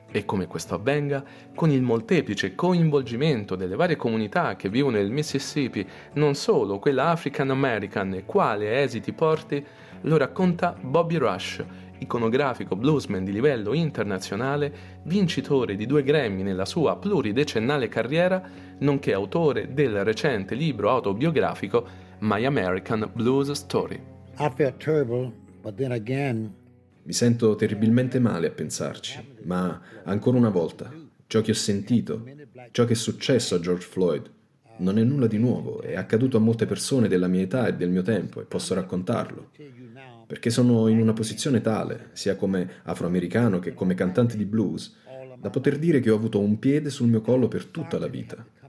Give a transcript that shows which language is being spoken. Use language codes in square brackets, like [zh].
[it] E come questo avvenga, con il molteplice coinvolgimento delle varie comunità che vivono nel Mississippi, non solo quella African American, e quale esiti porti, lo racconta Bobby Rush, iconografico bluesman di livello internazionale, vincitore di 2 Grammy nella sua pluridecennale carriera, nonché autore del recente libro autobiografico My American Blues Story. [en] I feel terrible, but then again... [it] Mi sento terribilmente male a pensarci, ma ancora una volta, ciò che ho sentito, ciò che è successo a George Floyd, Non è nulla di nuovo, è accaduto a molte persone della mia età e del mio tempo e posso raccontarlo. Perché sono in una posizione tale, sia come afroamericano che come cantante di blues, da poter dire che ho avuto un piede sul mio collo per tutta la vita.